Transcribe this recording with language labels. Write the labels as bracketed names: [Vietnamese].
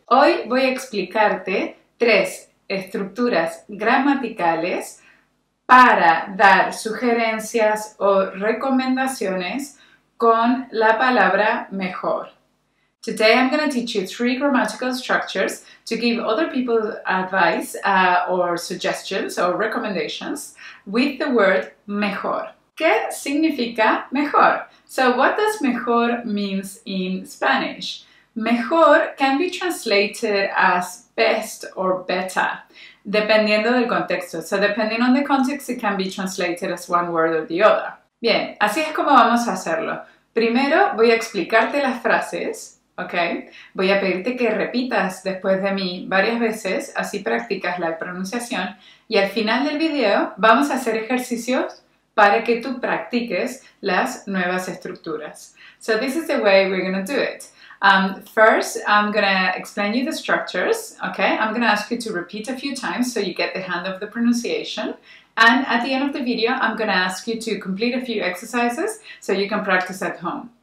[Spanish] Hoy voy a explicarte 3 estructuras gramaticales para dar sugerencias o recomendaciones con la palabra mejor. [English] Today I'm going to teach you three grammatical structures to give other people advice or suggestions or recommendations with the word mejor. [Spanish] ¿Qué significa mejor? [English] So what does mejor means in Spanish? Mejor can be translated as best or better, [Spanish] dependiendo del contexto. [English] So depending on the context, it can be translated as one word or the other. [Spanish] Bien, así es como vamos a hacerlo. Primero voy a explicarte las frases, ¿ok? Voy a pedirte que repitas después de mí varias veces, así practicas la pronunciación. Y al final del video vamos a hacer ejercicios para que tú practiques las nuevas estructuras. [English] So this is the way we're going to do it. First, I'm going to explain you the structures, okay? I'm going to ask you to repeat a few times so you get the hang of the pronunciation. And at the end of the video, I'm going to ask you to complete a few exercises so you can practice at home.